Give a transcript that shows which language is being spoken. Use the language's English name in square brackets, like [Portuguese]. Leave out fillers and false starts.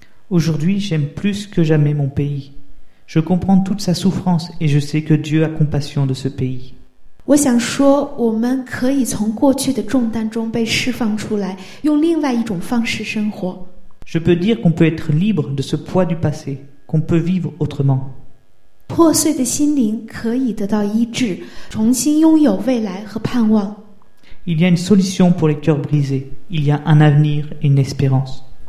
[French] Aujourd'hui, j'aime plus que jamais mon pays. Je comprends toute sa souffrance et je sais que Dieu a compassion de ce pays. [Chinese] 我想说，我们可以从过去的重担中被释放出来，用另外一种方式生活。 [French] Je peux dire qu'on peut être libre de ce poids du passé. Qu'on peut vivre autrement. [Chinese] 破碎的心灵可以得到医治，重新拥有未来和盼望。 [French] Il y a une solution pour les cœurs brisés. Il y a un avenir et une espérance.